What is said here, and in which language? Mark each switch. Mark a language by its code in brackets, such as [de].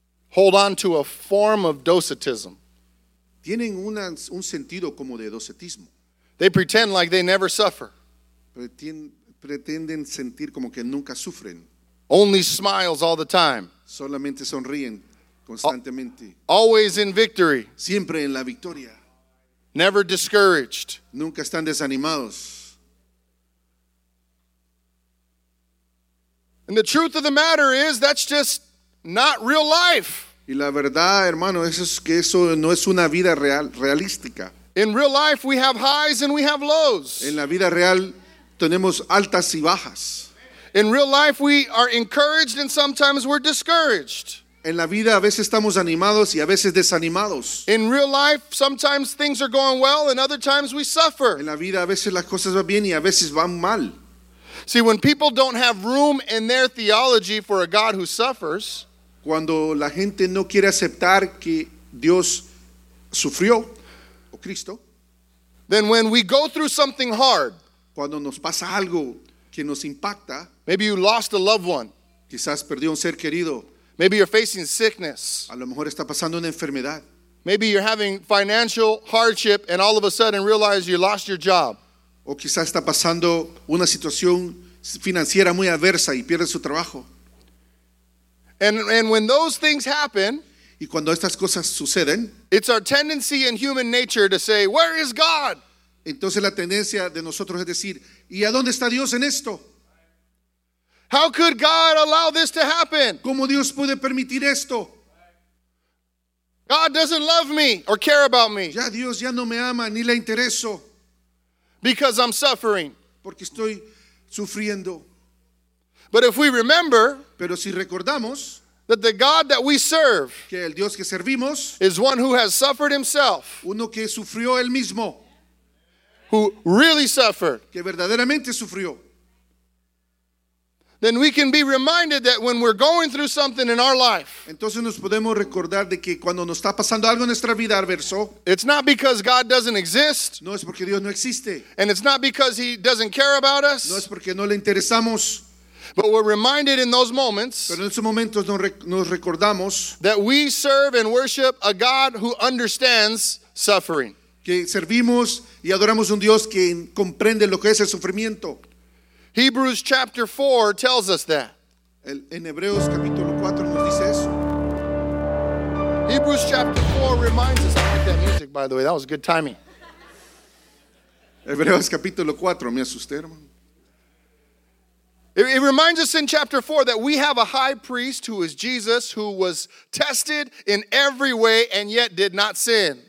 [en] hold on to a form of docetism. [es] Tienen un sentido como de docetismo. [en] They pretend like they never suffer. [es] Pretenden sentir como que nunca sufren. [en] Only smiles all the time. [es] Solamente sonríen constantemente. [en] Always in victory. [es] Siempre en la victoria. [en] Never discouraged. [es] Nunca están desanimados. [en] And the truth of the matter is that's just not real life. [es] Y la verdad, hermano, es que eso no es una vida real, realística. [en] In real life we have highs and we have lows. [es] En la vida real tenemos altas y bajas. [en] In real life we are encouraged and sometimes we're discouraged. [es] En la vida a veces estamos animados y a veces desanimados. [en] In real life sometimes things are going well and other times we suffer. [es] En la vida a veces las cosas van bien y a veces van mal. [en] See, when people don't have room in their theology for a God who suffers, [es] cuando la gente no quiere aceptar que Dios sufrió, o Cristo, [en] then when we go through something hard, [es] cuando nos pasa algo que nos impacta, [en] maybe you lost a loved one, [es] quizás perdió un ser querido, [en] maybe you're facing sickness, [es] a lo mejor está pasando una enfermedad, [en] maybe you're having financial hardship and all of a sudden realize you lost your job, [es] o quizás está pasando una situación financiera muy adversa y pierde su trabajo. [en] And when those things happen, [es] y cuando estas cosas suceden, [en] it's our tendency in human nature to say, "Where is God?" [es] Entonces la tendencia de nosotros es decir, ¿y a dónde está Dios en esto? [en] How could God allow this to happen? [es] ¿Cómo Dios puede permitir esto? [en] God doesn't love me or care about me. [es] Ya Dios ya no me ama ni le intereso. [en] Because I'm suffering. [es] Porque estoy sufriendo. [en] But if we remember, [es] pero si recordamos, [en] that the God that we serve, [es] que el Dios que servimos, [en] is one who has suffered himself, [es] uno que sufrió él mismo, [en] who really suffered, [es] que verdaderamente sufrió, [en] then we can be reminded that when we're going through something in our life, [es] entonces nos podemos recordar de que cuando nos está pasando algo en nuestra vida adverso, [en] it's not because God doesn't exist, [es] no es porque Dios no existe, [en] and it's not because he doesn't care about us, [es] no es porque no le interesamos, [en] but we're reminded in those moments, [es] pero en esos momentos nos recordamos, [en] that we serve and worship a God who understands suffering, [es] que servimos y adoramos un Dios que comprende lo que es el sufrimiento. [en] Hebrews chapter 4 tells us that. [es] En Hebreos capítulo 4 nos dice eso. [en] Hebrews chapter 4 reminds us. I like that music, by the way. That was good timing. [es] Hebreos capítulo 4. Me asusté, hermano. [en] It reminds us in chapter 4 that we have a high priest who is Jesus, who was tested in every way and yet did not sin.